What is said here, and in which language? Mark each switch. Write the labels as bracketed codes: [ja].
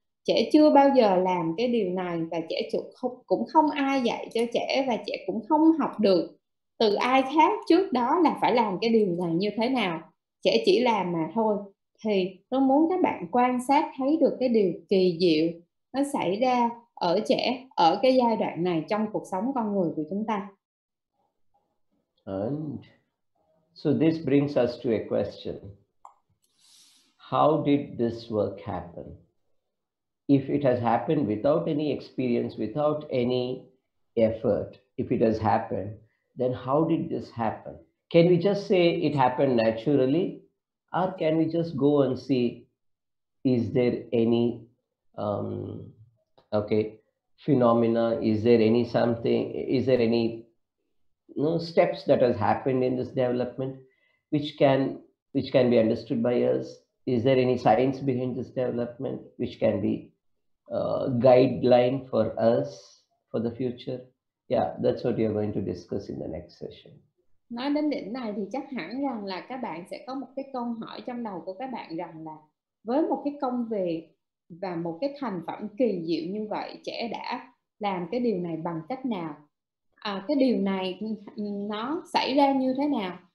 [vi] Trẻ chưa bao giờ làm cái điều này, và trẻ cũng không ai dạy cho trẻ, và trẻ cũng không học được từ ai khác trước đó là phải làm cái điều này như thế nào. Trẻ chỉ làm mà thôi. Thì tôi muốn các bạn quan sát thấy được cái điều kỳ diệu nó xảy ra ở trẻ, ở cái giai đoạn này trong cuộc sống con người của chúng ta. [en] And so this brings us to a question. How did this work happen? If it has happened without any experience, without any effort, if it has happened, then how did this happen? Can we just say it happened naturally? Or can we just go and see, is there any phenomena? Is there any something? Is there any steps that has happened in this development which can be understood by us? Is there any science behind this development which can be guideline for us for the future? Yeah, that's what you're going to discuss in the next session. [vi] Nói đến đỉnh này thì chắc hẳn rằng là các bạn sẽ có một cái câu hỏi trong đầu của các bạn rằng là với một cái công việc và một cái thành phẩm kỳ diệu như vậy, trẻ đã làm cái điều này bằng cách nào? Cái điều này nó xảy ra như thế nào?